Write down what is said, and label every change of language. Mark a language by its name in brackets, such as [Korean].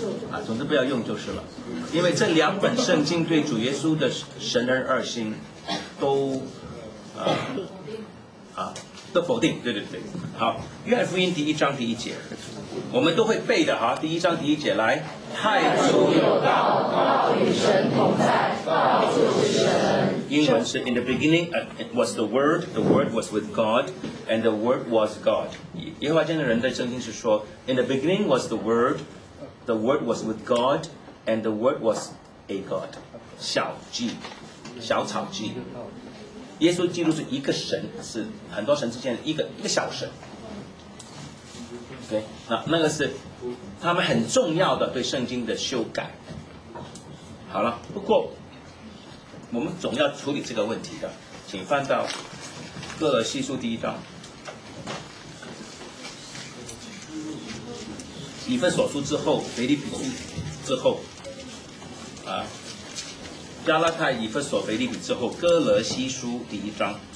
[Chinese] 啊，总之不要用就是了。因为这两本圣经对主耶稣的神人二心都都否定。对对对，好，约翰福音第一章第一节，我们都会背的哈。第一章第一节，来，太初有道，道与神同在，道就是神。英文是 [English] In the beginning was the Word was with God, and the Word was God. [Chinese] 耶和华见证人的圣经是说 [English] In the beginning was the Word was with God, and the Word was a God. [Chinese] 小 g, 小草 g. 耶稣基督是一个神，是很多神之间的一个小神。 [English] Okay? [Chinese] 那个是他们很重要的对圣经的修改。好了，不过我们总要处理这个问题的，请翻到哥罗西书第一章，以弗所书之后，腓立比书之后，啊，加拉太、以弗所、腓立比之后，哥罗西书第一章，